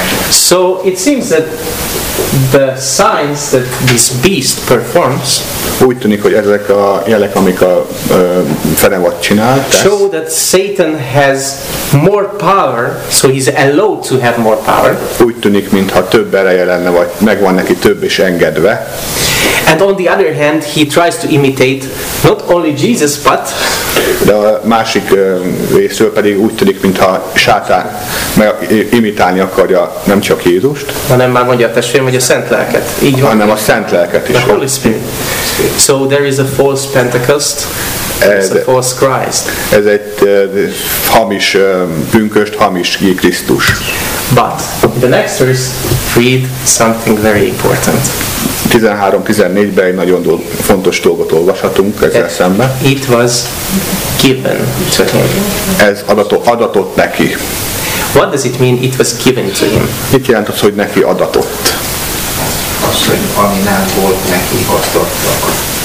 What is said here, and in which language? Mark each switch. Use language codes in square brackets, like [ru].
[en] So it seems that the signs that this beast performs, [hu] úgy tűnik, hogy ezek a jelek, amik a fenevad csinál, [en] show that Satan has more power, so he's allowed to have more power. [hu] Úgy tűnik, mintha több ereje lenne, vagy megvan neki több is engedve. [en] And on the other hand, he tries to imitate not only Jesus, but [hu] de a másik részről pedig úgy tűnik, mintha Sátán meg imitálni akarja nem csak Jézust, hanem már mondja a testvérem, hogy a Szent Lelket. Így van. Hanem a Szent Lelket is. [en] The Holy Spirit. So there is a false Pentecost. It's a false Christ. [hu] Ez egy hamis pünköst, hamis Krisztus. [en] But the next verse read something very important. [hu] 13-14-ben egy nagyon fontos dolgot olvashatunk ezzel that szemben. [en] It was given to him. [hu] Ez adatott neki. [en] What does it mean it was given to him? [hu] Mit jelent az, hogy neki adatott? Az, hogy ami nem volt neki, azt adta.